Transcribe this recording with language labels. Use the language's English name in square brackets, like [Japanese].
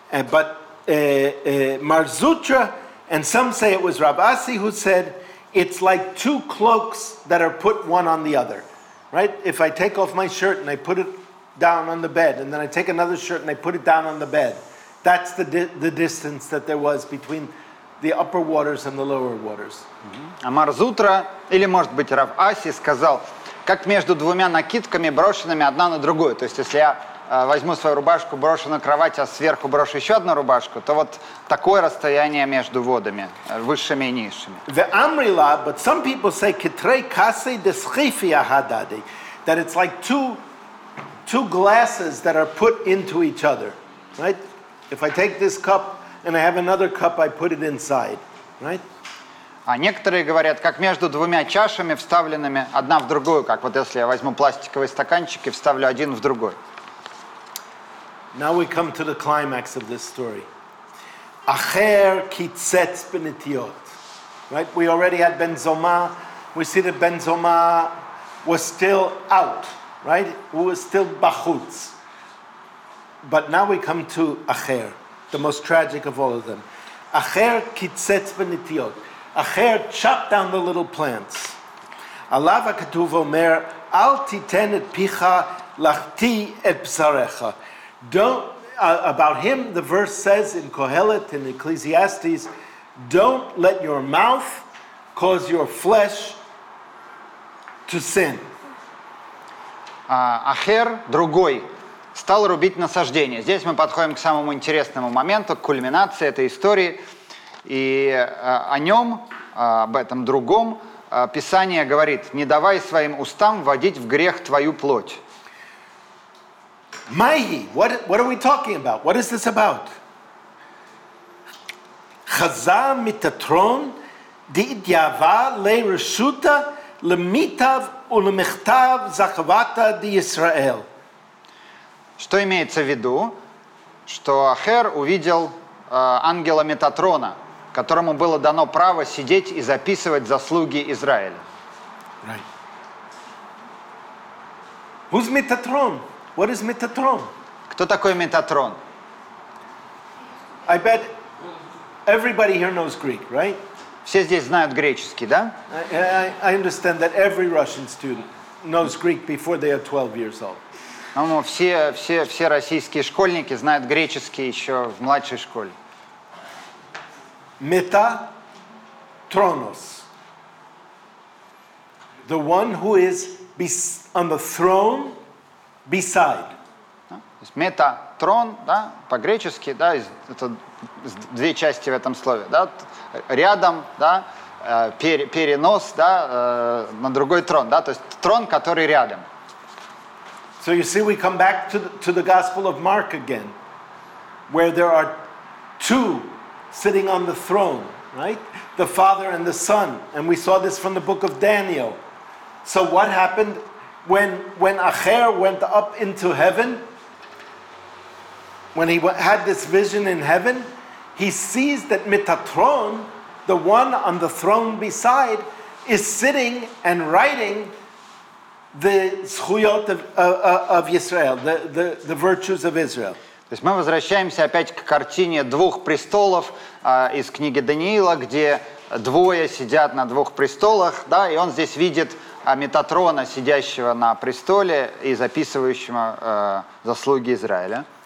[English] But Марзутра, and some say it was Раваси who said, it's like two cloaks that are put one on the other. Right? If I take off my shirt and I put it down on the bed, and then I take another shirt and I put it down on the bed, that's the distance that there was between the upper waters and the lower waters. [Russian] Амар Зутра, или может быть Рав Аси, сказал, как между двумя накидками, брошенными одна на другую. То есть, если я возьму свою рубашку, брошу на кровать, а сверху брошу еще одну рубашку, то вот такое расстояние между водами, высшими и низшими. [English] The Amrila, but some people say [Aramaic] Kitrei Kasi Deschifi Ahadadi, [English] that it's like two glasses that are put into each other, right? If I take this cup and I have another cup, I put it inside, right? [Russian] А некоторые говорят, как между двумя чашами, вставленными одна в другую, как вот если я возьму пластиковый стаканчик и вставлю один в другой. [English] Now we come to the climax of this story. [Hebrew] Acher kitzetz benetiot, [English] right? We already had Benzoma. We see that Benzoma was still out, right? We were still bachutz. But now we come to Acher, the most tragic of all of them. [Hebrew] Acher kitzetz benitiot. [English] Acher chopped down the little plants. [Hebrew] Alav ha-ketuv omer, al titen et picha lachti et psarecha. [English] Don't, about him, the verse says in Kohelet, in Ecclesiastes, don't let your mouth cause your flesh to sin. [Russian] Acher, другой, стал рубить насаждение. Здесь мы подходим к самому интересному моменту, к кульминации этой истории. И о нем, об этом другом, Писание говорит, не давай своим устам вводить в грех твою плоть. [English] Майи, what are we talking about? What is this about? [Aramaic] חזר מתתרון דידיעבה לרשותה למיטב ולמכתב זכבתה דישראל. [Russian] Что имеется в виду? Что Ахер увидел ангела Метатрона, которому было дано право сидеть и записывать заслуги Израиля. [English] Right. Who's Metatron? What is Metatron? [Russian] Кто такой Метатрон? [English] I bet everybody here knows Greek, right? [Russian] Все здесь знают греческий, да? [English] I understand that every Russian student knows Greek before they are 12 years old. [Russian] Ну, все российские школьники знают греческий еще в младшей школе. [Greek] Мета тронос. [English] The one who is on the throne beside. [Russian] Мета трон, да, по-гречески, да, это две части в этом слове, да, рядом, да, перенос, да, на другой трон, да, то есть трон, который рядом. [English] So you see, we come back to the Gospel of Mark again, where there are two sitting on the throne, right? The Father and the Son. And we saw this from the book of Daniel. So what happened when Ахер went up into heaven, when he had this vision in heaven, he sees that Метатрон, the one on the throne beside, is sitting and writing the zchuyot of Israel, the virtues of Israel. [Russian] То есть мы возвращаемся опять к картине двух престолов из книги Даниила, где двое сидят на двух престолах, да, и он здесь видит Метатрона, сидящего на престоле и записывающего заслуги Израиля.